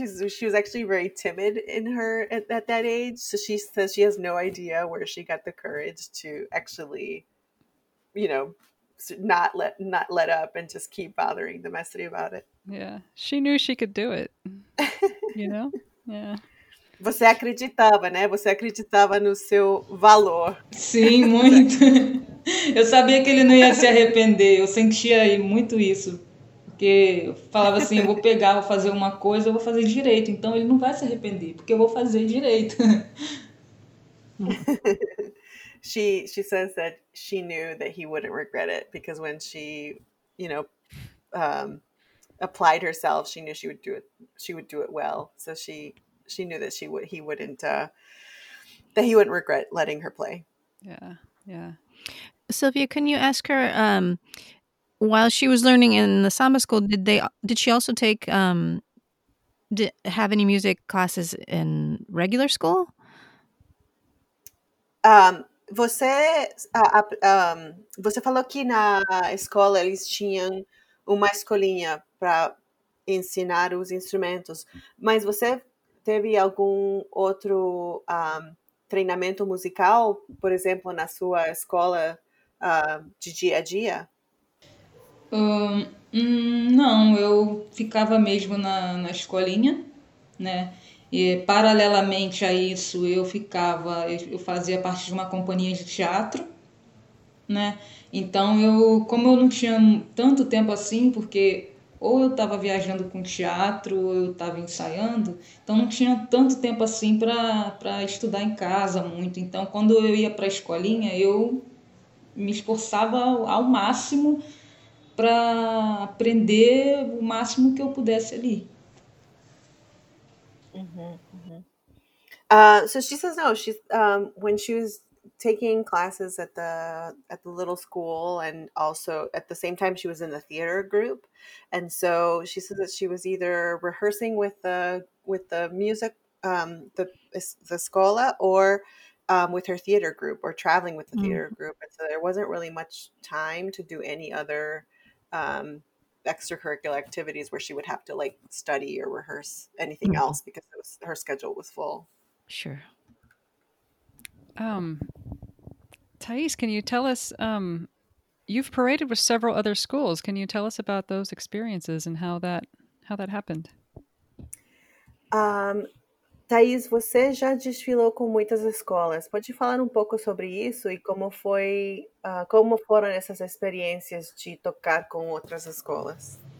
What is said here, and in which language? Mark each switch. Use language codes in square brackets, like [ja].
[en] She was actually very timid in her at that age, so she says she has no idea where she got the courage to actually, you know, not let up and just keep bothering the Mestre about it. Yeah, she knew she could do it, you know? Yeah. [pt] Você acreditava, né? Você acreditava no seu valor. Sim, muito. Eu sabia que ele não ia se arrepender. Eu sentia muito isso por Porque eu falava assim, eu vou pegar, vou fazer uma coisa, eu vou fazer direito. Então, ele não vai se arrepender, porque eu vou fazer direito. [en] She says that she knew that he wouldn't regret it, because when she, you know, applied herself, she knew she would do it well. So she knew that he wouldn't regret letting her play. Yeah. Sylvia, can you ask her, while she was learning in the samba school, did she also take have any music classes in regular school? [pt] Você falou que na escola eles tinham uma escolinha para ensinar os instrumentos, mas você teve algum outro treinamento musical, por exemplo, na sua escola de dia a dia? Não, eu ficava mesmo na escolinha, né? E paralelamente a isso, eu fazia parte de uma companhia de teatro, né? Então, como eu não tinha tanto tempo assim, porque ou eu estava viajando com teatro, ou eu estava ensaiando, então não tinha tanto tempo assim para estudar em casa muito. Então, quando eu ia para a escolinha, eu me esforçava ao máximo para aprender o máximo que eu pudesse ali. [en] So she says no. She when she was taking classes at the little school, and also at the same time she was in the theater group, and so she says that she was either rehearsing with the music the escola, or with her theater group, or traveling with the mm-hmm. theater group. And so there wasn't really much time to do any other extracurricular activities where she would have to like study or rehearse anything mm-hmm. else, because her schedule was full. Sure. Thaís, can you tell us, you've paraded with several other schools. Can you tell us about those experiences and how that happened? [pt] Thaís, você já desfilou com muitas escolas. Pode falar um pouco sobre isso e como foram essas experiências de tocar com outras escolas?